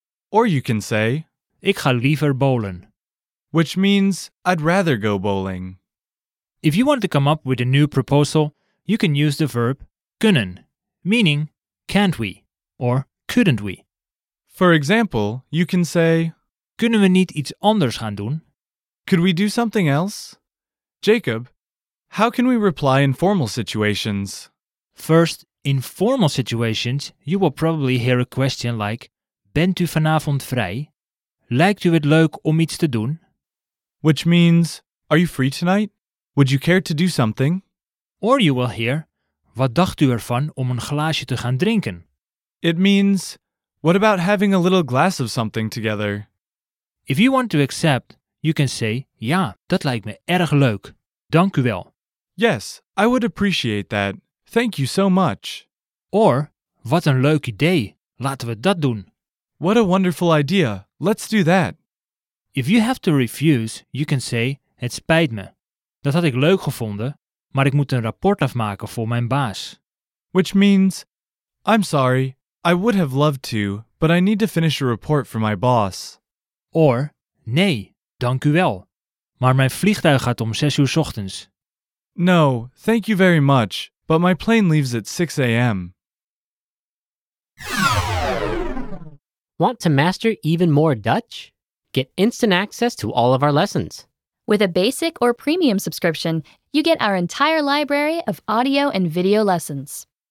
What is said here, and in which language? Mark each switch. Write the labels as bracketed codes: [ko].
[en] Or you can say, [nl] ik ga liever bowlen. [en] Which means, I'd rather go bowling. If you want to come up with a new proposal, you can use the verb kunnen, meaning, can't we, or couldn't we. For example, you can say, [nl] kunnen we niet iets anders gaan doen? [en] Could we do something else? Jacob, how can we reply in formal situations? First, in formal situations, you will probably hear a question like, [nl] bent u vanavond vrij? Lijkt u het leuk om iets te doen? [en] Which means, are you free tonight? Would you care to do something? Or you will hear, [nl] wat dacht u ervan om een glaasje te gaan drinken? [en] It means, what about having a little glass of something together? If you want to accept, you can say, [nl] ja, dat lijkt me erg leuk. Dank u wel. [en] Yes, I would appreciate that. Thank you so much. [nl] Or, wat een leuk idee. Laten we dat doen. [en] What a wonderful idea. Let's do that. If you have to refuse, you can say, [nl] het spijt me. Dat had ik leuk gevonden, maar ik moet een rapport afmaken voor mijn baas. [en] Which means, I'm sorry, I would have loved to, but I need to finish a report for my boss. [nl] Or, nee. Dank u wel. Maar mijn vliegtuig gaat om 6:00 ochtends. [en] No, thank you very much, but my plane leaves at 6 a.m. Want to master even more Dutch? Get instant access to all of our lessons. With a basic or premium subscription, you get our entire library of audio and video lessons.